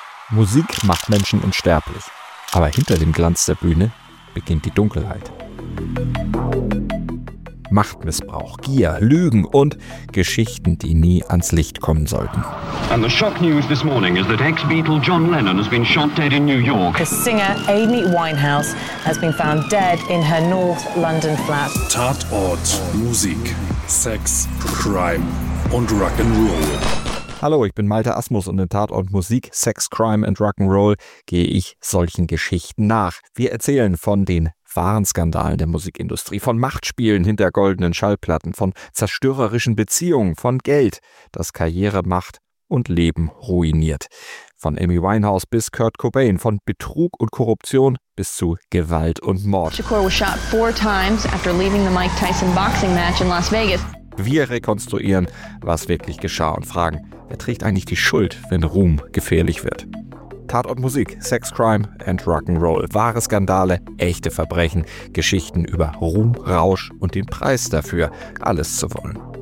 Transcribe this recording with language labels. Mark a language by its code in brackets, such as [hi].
[de] Musik macht Menschen unsterblich. Aber hinter dem Glanz der Bühne beginnt die Dunkelheit. Machtmissbrauch, Gier, Lügen und Geschichten, die nie ans Licht kommen sollten. [en] And the shock news this morning is that ex-Beatle John Lennon has been shot dead in New York. The singer Amy Winehouse has been found dead in her North London flat. [de] Tatort, Musik, Sex, Crime und Rock'n'Roll. Hallo, ich bin Malte Asmus und in Tatort Musik, Sex, Crime und Rock'n'Roll gehe ich solchen Geschichten nach. Wir erzählen von den wahren Skandalen der Musikindustrie, von Machtspielen hinter goldenen Schallplatten, von zerstörerischen Beziehungen, von Geld, das Karriere macht und Leben ruiniert. Von Amy Winehouse bis Kurt Cobain, von Betrug und Korruption bis zu Gewalt und Mord. [en] Shakur was shot 4 times after leaving the Mike Tyson boxing match in Las Vegas. [de] Wir rekonstruieren, was wirklich geschah und fragen, wer trägt eigentlich die Schuld, wenn Ruhm gefährlich wird? Tatort Musik, Sex, Crime and Rock'n'Roll. Wahre Skandale, echte Verbrechen, Geschichten über Ruhm, Rausch und den Preis dafür, alles zu wollen.